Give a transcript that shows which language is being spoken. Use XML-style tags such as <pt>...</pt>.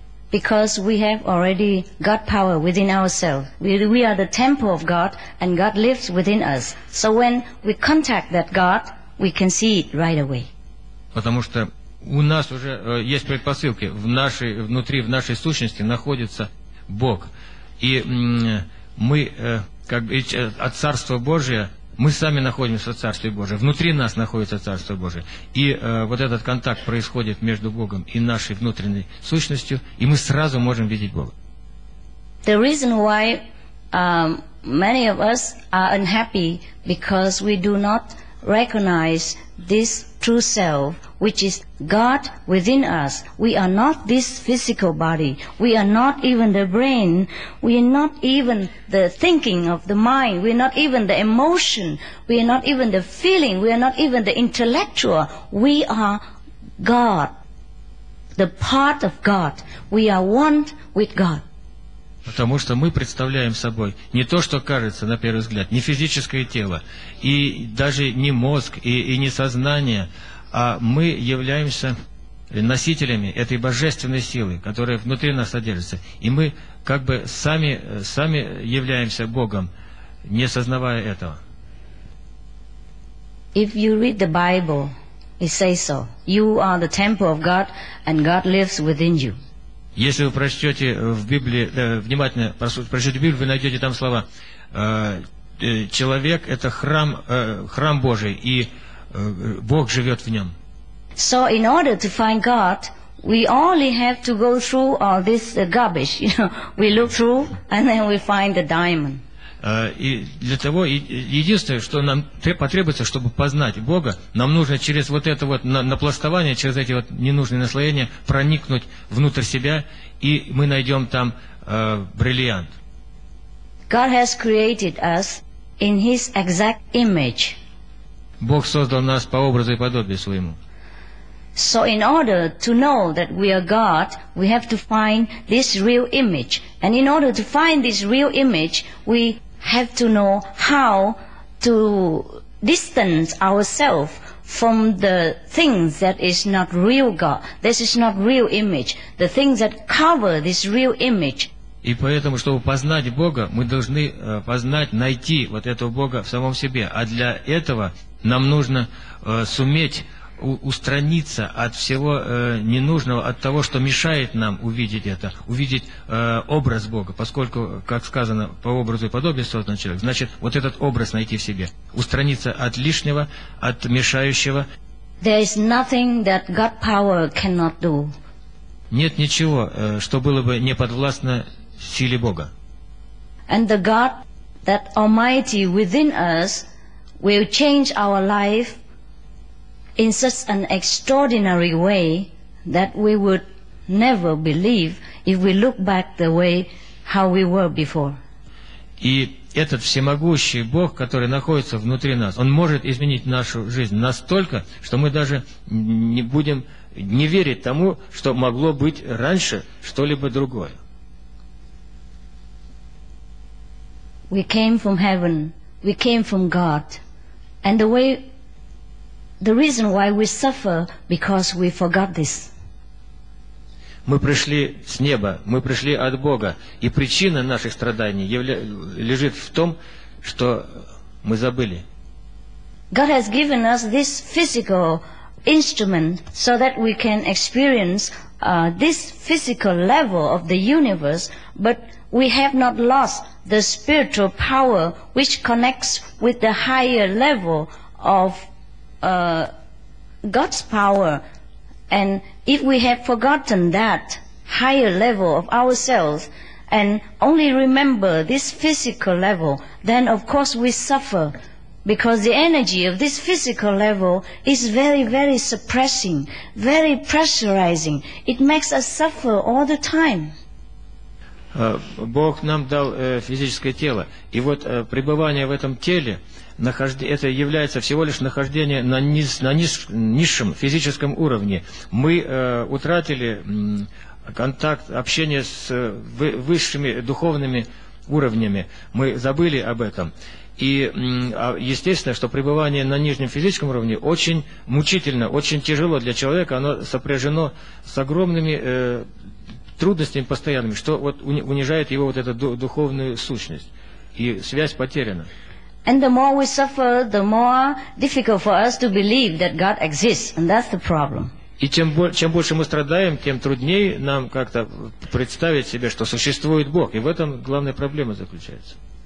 <en>Because we have already God power within ourselves. We are the temple of God, and God lives within us. So when we contact that God, we can see it right away.</en> <ru>Потому что у нас уже есть предпосылки. В нашей, внутри, в нашей сущности находится Бог. И мы, как бы, от Царства Божия, мы сами находимся в Царстве Божьем. Внутри нас находится Царство Божие. И вот этот контакт происходит между Богом и нашей внутренней сущностью, и мы сразу можем видеть Бога.</ru> <en>The reason why many of us are unhappy because we do not recognize this true self, which is God within us. We are not this physical body. We are not even the brain. We are not even the thinking of the mind. We are not even the emotion. We are not even the feeling. We are not even the intellectual. We are God, the part of God. We are one with God.</en> <ru>Потому что мы представляем собой не то, что кажется на первый взгляд, не физическое тело, и даже не мозг, и не сознание, а мы являемся носителями этой божественной силы, которая внутри нас содержится. И мы как бы сами являемся Богом, не сознавая этого.</ru> <en>If you read the Bible, it says so. You are the temple of God, and God lives within you.</en> <ru>Если вы прочтете в Библии, внимательно прочтете Библию, вы найдете там слова «Человек – это храм, храм Божий, и Бог живет в нем».</ru> <en>So in order to find God, we only have to go through all this garbage. You know, we look through, and then we find the diamond.</en> <ru>И для того, единственное, что нам потребуется, чтобы познать Бога, нам нужно через вот это вот напластование, через эти вот ненужные наслоения проникнуть внутрь себя, и мы найдем там бриллиант.</ru> <en>God has created us in His exact image.</en> <ru>Бог создал нас по образу и подобию своему.</ru> <en>So in order to know that we are God, we have to find this real image. And in order to find this real image, we have to know how to distance ourselves from the things that is not real God. This is not real image. The things that cover this real image.</en> <ru>И поэтому, чтобы познать Бога, мы должны познать, найти вот этого Бога в самом себе. А для этого нам нужно суметь устраниться от всего ненужного, от того, что мешает нам увидеть это, увидеть образ Бога, поскольку, как сказано, по образу и подобию создан человек, значит, вот этот образ найти в себе, устраниться от лишнего, от мешающего.</ru> <en>There is nothing that God power cannot do.</en> <ru>Нет ничего, что было бы не подвластно силе Бога.</ru> <en>And the God that Almighty within us will change our life in such an extraordinary way that we would never believe if we look back the way how we were before.</en> <ru>И этот всемогущий Бог, который находится внутри нас, он может изменить нашу жизнь настолько, что мы даже не будем не верить тому, что могло быть раньше что-либо другое.</ru> <en>We came from heaven, we came from God, and the way The reason why we suffer because we forgot this.</en> <ru>Мы пришли с неба, мы пришли от Бога, и причина наших страданий лежит в том, что мы забыли.</ru> <en>God has given us this physical instrument so that we can experience this physical level of the universe, but we have not lost the spiritual power which connects with the higher level of God's power, and if we have forgotten that higher level of ourselves and only remember this physical level, then of course we suffer because the energy of this physical level is very, very suppressing, very pressurizing. It makes us suffer all the time.</en> <ru>Бог нам дал физическое тело, и вот пребывание в этом теле, это является всего лишь нахождение на низшем физическом уровне. Мы утратили контакт, общение с высшими духовными уровнями, мы забыли об этом. И естественно, что пребывание на нижнем физическом уровне очень мучительно, очень тяжело для человека, оно сопряжено с огромными трудностями постоянными, что вот унижает его вот эту духовную сущность, и связь потеряна.</ru> <en>And the more we suffer, the more difficult for us to believe that God exists, and that's the problem.</en> <ru>И чем больше мы страдаем, тем труднее нам как-то представить себе, что существует Бог, и в этом главная проблема заключается.</ru>